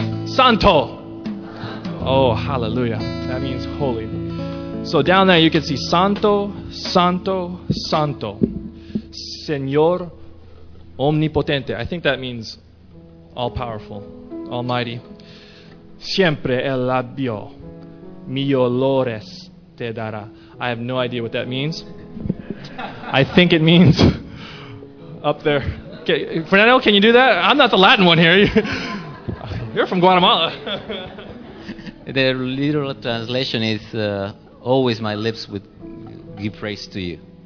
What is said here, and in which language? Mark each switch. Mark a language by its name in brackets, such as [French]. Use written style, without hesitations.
[English] Santo. Oh, hallelujah. That means holy. So down there you can see santo, santo, santo. [Spanish] Señor omnipotente. [English] I think that means all-powerful, almighty. [Spanish] Siempre el labio mío lores te dará. [English] I have no idea what that means. I think it means up there. Okay. Fernando, can you do that? I'm not the Latin one here. You're from Guatemala. The literal translation is always my lips would give praise to you.